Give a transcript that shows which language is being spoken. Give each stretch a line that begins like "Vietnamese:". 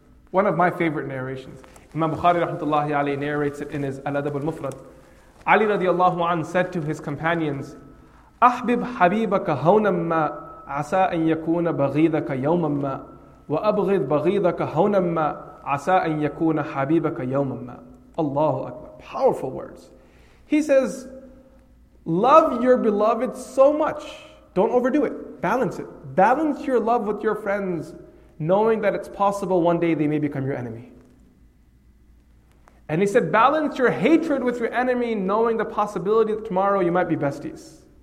English: One of my favorite narrations. Imam Bukhari rahmatullahi alayhi narrates it in his Al-Adab al-Mufrad. Ali radiallahu anhu said to his companions,
Arabic: أحبب حبيبك هونا ما عسى أن يكون بغيضك يوما ما وأبغض بغيضك هونا ما عسى أن يكون حبيبك يوما ما.
English: Allahu Akbar. Powerful words. He says, love your beloved so much. Don't overdo it. Balance it. Balance your love with your friends, knowing that it's possible one day they may become your enemy. And he said, balance your hatred with your enemy, knowing the possibility that tomorrow you might be besties.